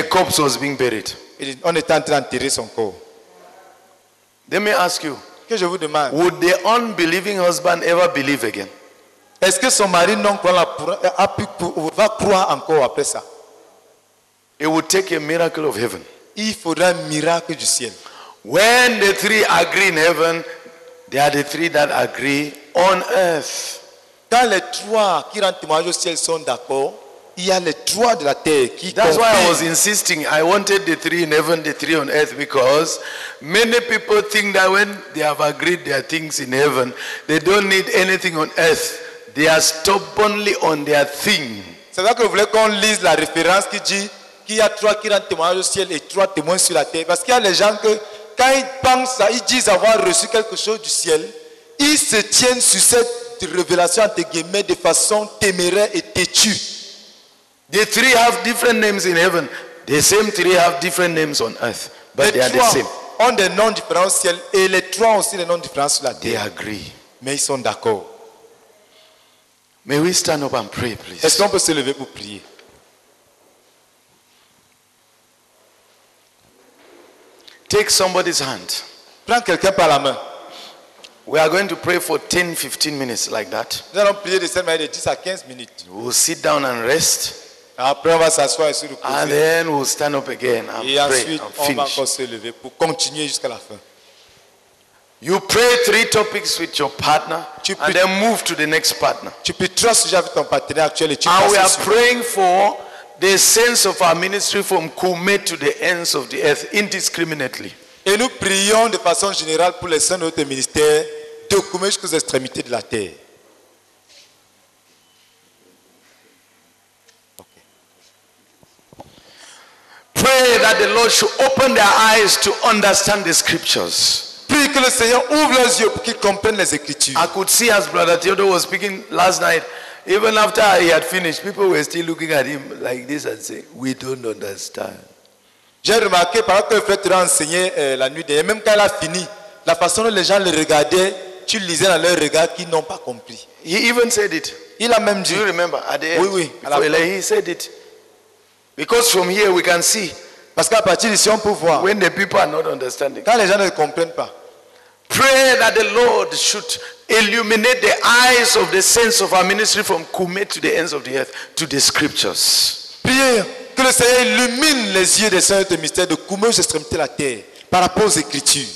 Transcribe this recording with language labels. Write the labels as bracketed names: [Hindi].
[English] the corpse was being buried. [French] On était en train d'enterrer son corps. [English] Let me ask you. [French] Que je vous demande. [English] Would the unbelieving husband ever believe again? [French] Est-ce que son mari non va croire encore après ça? [English] It would take a miracle of heaven. [French] Il faudra un miracle du ciel. [English] When the three agree in heaven, they are the three that agree on earth. [French] Quand les trois qui rendent témoignage au ciel sont d'accord, il y a les trois de la terre qui comprennent. [English] That's why I was insisting. I wanted the three in heaven, the three on earth, because many people think that when they have agreed their things in heaven, they don't need anything on earth. They are stubbornly on their thing. [French] C'est vrai que vous voulez qu'on lise la référence qui dit qu'il y a trois qui rendent témoignage au ciel et trois témoins sur la terre. Parce qu'il y a les gens que quand ils pensent, ils disent avoir reçu quelque chose du ciel, ils se tiennent sur cette révélation entre guillemets de façon téméraire et têtue. [English] The three have different names in heaven. The same three have different names on earth, but they are the same. [French] Ont des noms différents au ciel et les trois aussi des noms différents sur la terre. [English] They agree. [French] Mais ils sont d'accord. [English] May we stand up and pray, please? [French] Est-ce qu'on peut se lever pour prier? [English] Take somebody's hand. [French] Prends quelqu'un par la main. [English] We are going to pray for 10-15 minutes like that. [French] Nous allons prier de cette manière de 10 à 15 minutes. [English] We'll sit down and rest. [French] Après, on va s'asseoir et se reposer. [English] And then we'll stand up again and [French] et [English] pray [French] ensuite, [English] and finish. [French] On va encore se lever pour continuer jusqu'à la fin. [English] You pray 3 topics with your partner and then move to the next partner. [French] Tu peux 3 sujets avec ton partenaire actuel et tu passes. [English] And we are praying for the sense of our ministry from Kume to the ends of the earth indiscriminately. [French] Et nous prions de façon générale pour les saints de notre ministère de Kume jusqu'aux extrémités de la terre. [English] Okay. Pray that the Lord should open their eyes to understand the scriptures. [French] Prie que le Seigneur ouvre leurs yeux pour qu'ils comprennent les Écritures. [English] I could see as Brother Theodore was speaking last night, even after he had finished, people were still looking at him like this and saying, "We don't understand." [French] J'ai remarqué pendant que le frère Théodore enseignait la nuit dernière, même quand il a fini, la façon dont les gens le regardaient, tu lisais dans leur regard qu'ils n'ont pas compris. [English] He even said it. [French] Il a même dit. [English] Do you remember? At the end, [French] oui, oui. [English] Before, he said it. Because from here we can see. [French] Parce qu'à partir d'ici, on peut voir. [English] When the people are not understanding. [French] Quand les gens ne comprennent pas. [English] Pray that the Lord should illuminate the eyes of the saints of our ministry from Kume to the ends of the earth to the scriptures. [French] Priez que le Seigneur illumine les yeux des saints de mystère de Kume aux extrémités de la terre par rapport aux Écritures.